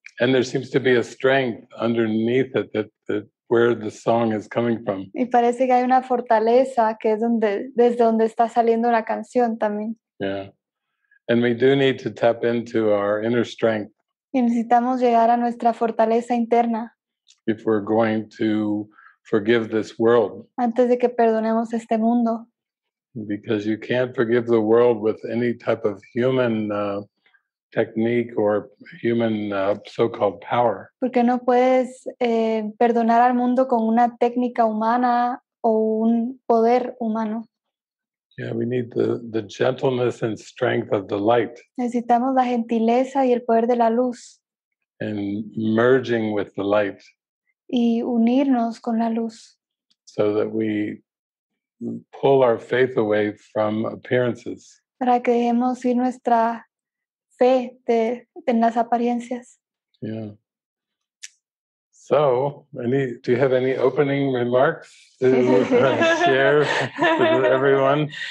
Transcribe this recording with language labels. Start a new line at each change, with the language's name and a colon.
English: And there seems to be a strength underneath it that where the song is coming from.
Spanish: Y parece que hay una fortaleza que es desde donde está saliendo la canción también. Yeah.
English: And we do need to tap into our inner strength.
Spanish: Y necesitamos llegar a nuestra fortaleza interna.
English: If we're going to forgive this world.
Spanish: Antes de que perdonemos este mundo.
English: Because you can't forgive the world with any type of human technique or human so-called power.
Spanish: Porque no puedes perdonar al mundo con una técnica humana o un poder humano.
English: Yeah, we need the gentleness and strength of the light.
Spanish: Necesitamos la gentileza y el poder de la luz.
English: And merging with the light.
Spanish: Y unirnos con la luz.
English: So that we pull our faith away from appearances.
Spanish: Para que dejemos ir nuestra fe en las apariencias. Yeah.
English: So, do you have any opening remarks to share with everyone?